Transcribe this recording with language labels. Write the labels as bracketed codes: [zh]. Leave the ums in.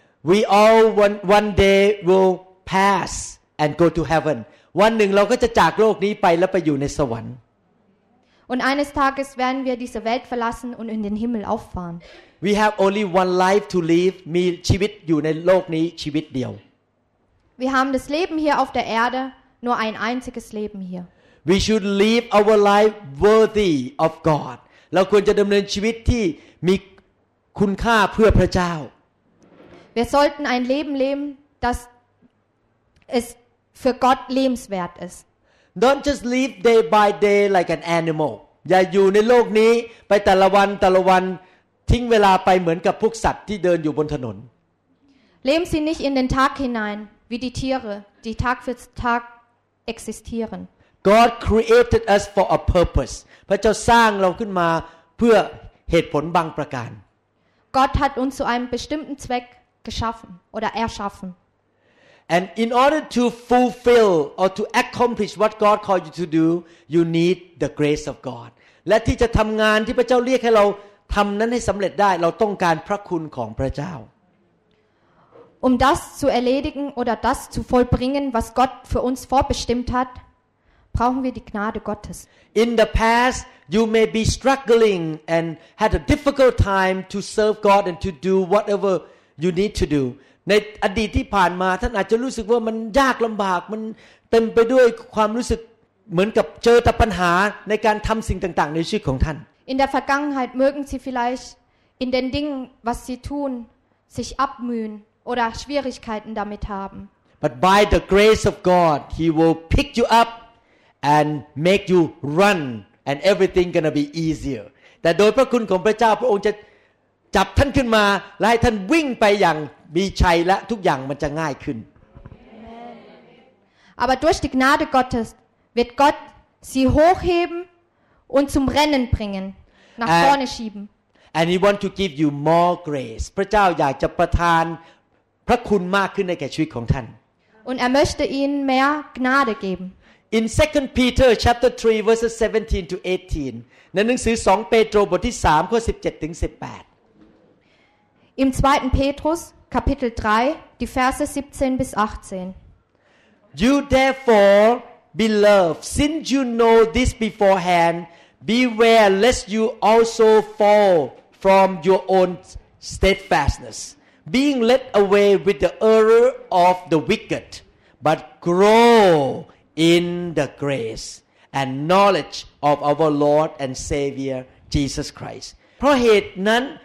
[en] We all one, one day will pass and go to heaven. [th] วันหนึ่งเราก็จะจากโลกนี้ไปแล้วไปอยู่ในสวรรค์ [de] Und eines Tages werden wir diese Welt verlassen und in den Himmel auffahren. [en] We have only one life to live. [th] มีชีวิตอยู่ในโลกนี้ชีวิตเดียว [de] Wir haben das Leben hier auf der Erde nur ein einziges Leben hier. [en] We should live our life worthy of God. [th] เราควรจะดำเนินชีวิตที่มีคุณค่าเพื่อพระเจ้า [de] Wir sollten ein Leben leben, das es für Gott lebenswert ist. [en] Don't just live day by day like an animal. [th] อย่าอยู่ในโลกนี้ไปแต่ละวันแต่ละวันทิ้งเวลาไปเหมือนกับพวกสัตว์ที่เดินอยู่บนถนน [de] Leben Sie nicht in den Tag hinein wie die Tiere, die Tag für Tag existieren. [en] God created us for a purpose. [th] พระเจ้าสร้างเราขึ้นมาเพื่อเหตุผลบางประการ [de] Gott hat uns zu einem bestimmten Zweck geschaffen oder erschaffen. [en] And in order to fulfill or to accomplish what God called you to do, you need the grace of God. [th] และที่จะทำงานที่พระเจ้าเรียกให้เราทำนั้นให้สำเร็จได้เราต้องการพระคุณของพระเจ้า [de] Um das zu erledigen oder das zu vollbringen, was Gott für uns vorbestimmt hat, brauchen wir die Gnade Gottes. [en] In the past you may be struggling and had a difficult time to serve God and to do whatever you need to do. [th] ในอดีตที่ผ่านมาท่านอาจจะรู้สึกว่ามันยากลำบากมันเต็มไปด้วยความรู้สึกเหมือนกับเจอแต่ปัญหาในการทำสิ่งต่าง ๆ ในชีวิตของท่าน [de] In der Vergangenheit mögen Sie vielleicht in den Dingen, was Sie tun, sich abmühen oder Schwierigkeiten damit haben. [en] But by the grace of God, He will pick you up and make you run and everything gonna be easier [th] แต่โดยพระคุณของพระเจ้าพระองค์จะจับท่านขึ้นมาและให้ท่านวิ่งไปอย่างมีชัยและทุกอย่างมันจะง่ายขึ้น [de] Aber durch die Gnade Gottes wird Gott sie hochheben und zum Rennen bringen, nach and, vorne schieben. [en] And he wants to give you more grace. [th] พระเจ้าอยากจะประทานพระคุณมากขึ้นในแก่ชีวิตของท่าน [de] Und er möchte Ihnen mehr Gnade geben. [en] In 2 Peter chapter 3 verses 17 to 18 [th] ในหนังสือ2เปโตรบทที่3ข้อ17ถึง18 [de] Im 2. Petrus Kapitel 3 die Verse 17 bis 18 [en] You therefore beloved since you know this beforehand beware lest you also fall from your own steadfastness being led away with the error of the wicked but grow in the grace and knowledge of our Lord and Savior Jesus Christ [th] เพราะเหตุนั้น